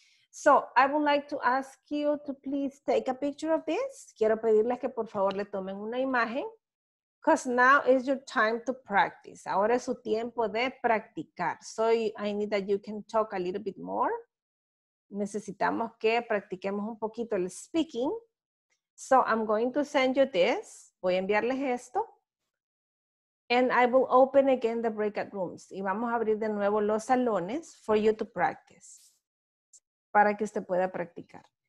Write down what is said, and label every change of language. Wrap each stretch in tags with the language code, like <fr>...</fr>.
<en>So, I would like to ask you to please take a picture of this.</en> <es>Quiero pedirles que por favor le tomen una imagen.</es> <en>Because now is your time to practice.</en> <es>Ahora es su tiempo de practicar.</es> <en>So, I need that you can talk a little bit more.</en> <es>Necesitamos que practiquemos un poquito el speaking.</es> <en>So I'm going to send you this,</en> <es>voy a enviarles esto,</es> <en>and I will open again the breakout rooms,</en> <es>y vamos a abrir de nuevo los salones</es> <en>for you to practice,</en> <es>para que usted pueda practicar.</es>